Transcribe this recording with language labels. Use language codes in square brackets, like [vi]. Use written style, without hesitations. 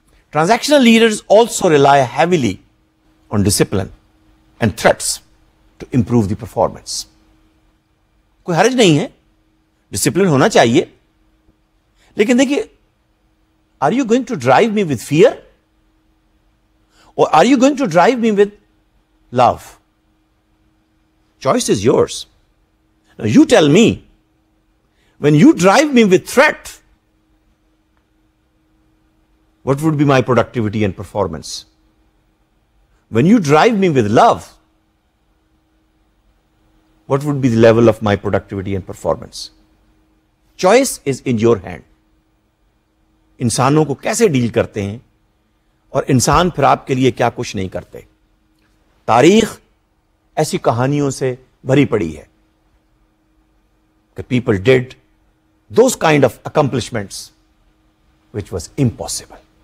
[en] Transactional leaders also rely heavily on discipline and threats to improve the performance. [ur] کوئی حرج نہیں ہے, discipline ہونا چاہیے, لیکن دیکھیے, [en] Are you going to drive me with fear or are you going to drive me with love? Choice is yours. Now you tell me, when you drive me with threat, what would be my productivity and performance? When you drive me with love, what would be the level of my productivity and performance? Choice is in your hand. [ur] انسانوں کو کیسے deal کرتے ہیں اور انسان پھر آپ کے لیے کیا کچھ نہیں کرتے. تاریخ ایسی کہانیوں سے بھری پڑی ہے کہ [en] People did those kind of accomplishments which was impossible.